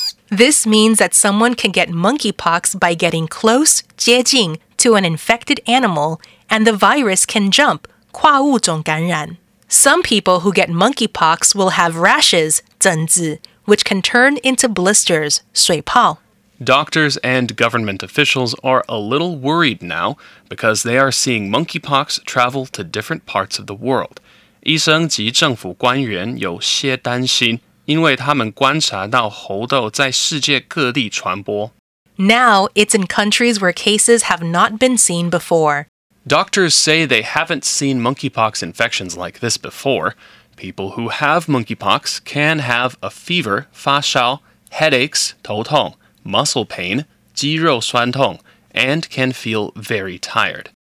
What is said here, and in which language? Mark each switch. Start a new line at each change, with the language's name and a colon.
English: This means that someone can get monkeypox by getting close, 接近, to an infected animal, and the virus can jump,跨物种感染。 Some people who get monkeypox will have rashes, 疹子, which can turn into blisters, 水泡。 Doctors and government officials are a little worried now because they are seeing monkeypox travel to different parts of the world.
Chinese: 医生及政府官员有些担心,因为他们观察到猴痘在世界各地传播。
English: Now, it's in countries where cases have not been seen before. Doctors say they haven't seen monkeypox infections like this before. People who have monkeypox can have a fever, 发烧, headaches, 头痛, muscle pain, 肌肉酸痛, and can feel very tired.